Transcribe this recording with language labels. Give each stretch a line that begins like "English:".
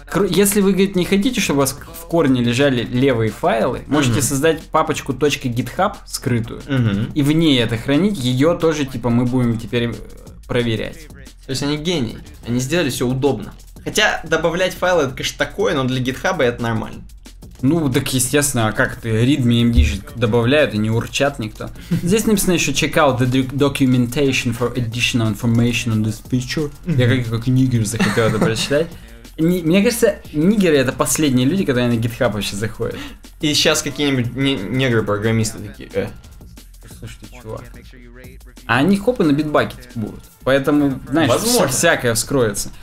Russian: Если вы, говорит, не хотите, чтобы у вас в корне лежали левые файлы, можете создать папочку .github скрытую, и в ней это хранить, ее тоже, типа, мы будем теперь проверять. То есть они гении, они сделали все удобно. Хотя добавлять файлы, это, конечно, такое, но для GitHub это нормально. Ну, так естественно, а как ты? Readme MD же добавляют, и не урчат никто. Здесь написано еще
English: check out the documentation for additional information on this picture.
Russian: Я как нигер захотел это прочитать. Мне кажется, нигеры — это последние люди, которые на GitHub вообще заходят. И сейчас какие-нибудь негры-программисты такие, Слушай, ты чувак. А они хопы на битбаке типа, будут. Поэтому, знаешь, возможно, всякое вскроется.